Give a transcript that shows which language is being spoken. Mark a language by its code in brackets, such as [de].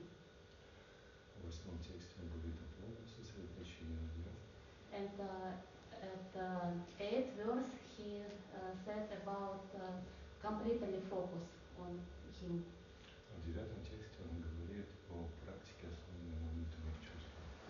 [ru] В 8-м тексте он говорит о полном сосредоточении на нем. [en] And at 8th verse he said about completely focus on him. [ru] В 9-м тексте он говорит о практике основанной на внутренних чувствах.